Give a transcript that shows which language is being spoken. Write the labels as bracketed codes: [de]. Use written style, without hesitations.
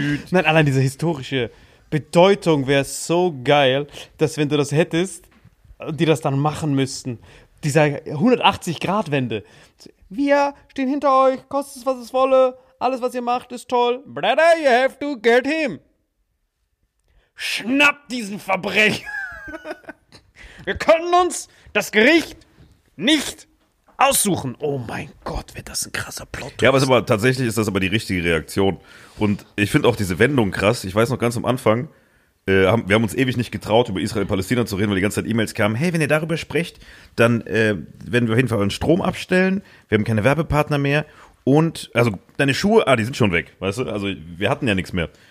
[de] Nein, allein diese historische Bedeutung wäre so geil, dass wenn du das hättest, die das dann machen müssten. Dieser 180-Grad-Wende. Wir stehen hinter euch, kostet es, was es wolle. Alles, was ihr macht, ist toll. [en] Brother, you have to get him. [de] Schnappt diesen Verbrecher. Wir können uns das Gericht nicht aussuchen. Oh mein Gott, wird das ein krasser Plot. Ja, aber tatsächlich ist das aber die richtige Reaktion. Und ich finde auch diese Wendung krass. Ich weiß noch ganz am Anfang, wir haben uns ewig nicht getraut, über Israel und Palästina zu reden, weil die ganze Zeit E-Mails kamen, hey, wenn ihr darüber sprecht, dann werden wir auf jeden Fall euren Strom abstellen, wir haben keine Werbepartner mehr und, also deine Schuhe, die sind schon weg, weißt du, also wir hatten ja nichts mehr.